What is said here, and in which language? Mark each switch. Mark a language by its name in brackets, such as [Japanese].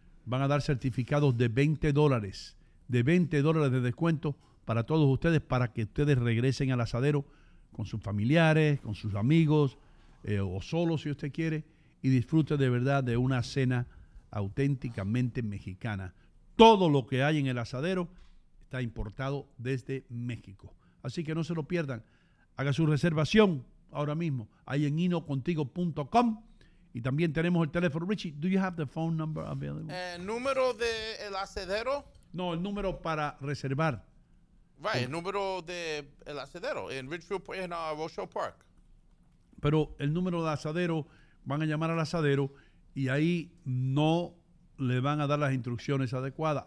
[Spanish] Van a dar certificados de $20, de $20 de descuento para todos ustedes, para que ustedes regresen al asadero con sus familiares, con sus amigos, o solo si usted quiere, y disfrute de verdad de una cena auténticamente mexicana. Todo lo que hay en el asadero está importado desde México. Así que no se lo pierdan. Haga su reservación ahora mismo ahí en inocontigo.com. Y también tenemos el teléfono. [English] Richie, do you have the phone number available? [Spanish] ¿Número de el asadero? No, el número para reservar. Right, el número de el asadero en Richfield, en Rochelle Park. Pero el número de asadero, van a llamar al asadero y ahí no le van a dar las instrucciones adecuadas.